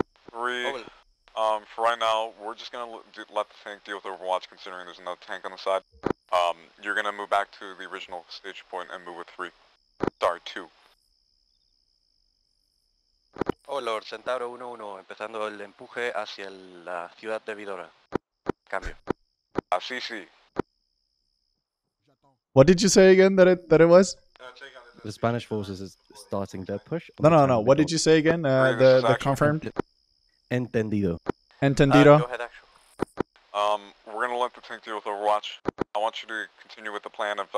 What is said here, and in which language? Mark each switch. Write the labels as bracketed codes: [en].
[en] For right now, we're just going to let the tank deal with Overwatch, considering there's another tank on the side. You're going to move back to the original stage point and move with 3. Sorry, 2. Oh lord, [es] Centauro 1-1, empezando el empuje hacia la ciudad de Vidora. Cambio. Así, sí. [en] What did you say again that it was? The Spanish forces is starting their push. No. What did you say again? The confirmed? [es] Entendido. Entendido. [en] We're going to let the tank deal with Overwatch. I want you to continue with the plan of...